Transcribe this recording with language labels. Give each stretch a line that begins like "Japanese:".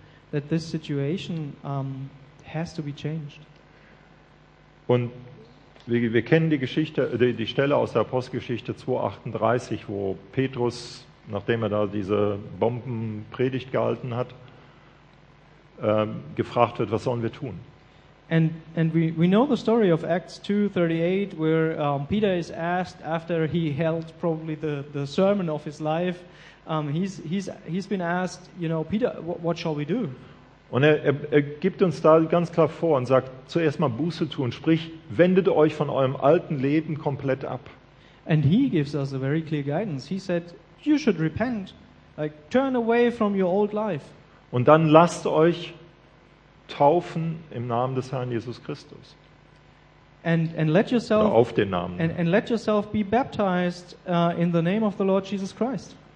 English: that this situation has to be changed.
German: Und wir kennen die Geschichte, die Stelle aus der Apostelgeschichte 2:38, wo Petrus, nachdem er da diese Bombenpredigt gehalten hat, gefragt wird, was sollen wir tun?
English: And we know the story of Acts 2:38, where Peter is asked after he held probably the sermon of his life. He's been asked, you know, Peter, what shall we do?
German: Und er gibt uns da ganz klar vor und sagt, zuerst mal Buße tun, sprich, wendet euch von eurem alten Leben komplett ab.
English: And he gives us a very clear guidance. He said, you should repent, like turn away from your old life.
German: Und dann lasst euch taufen im Namen des Herrn Jesus Christus.
English: And let yourself,
German: auf den Namen.
English: And let yourself be baptized in the name of the Lord Jesus Christ.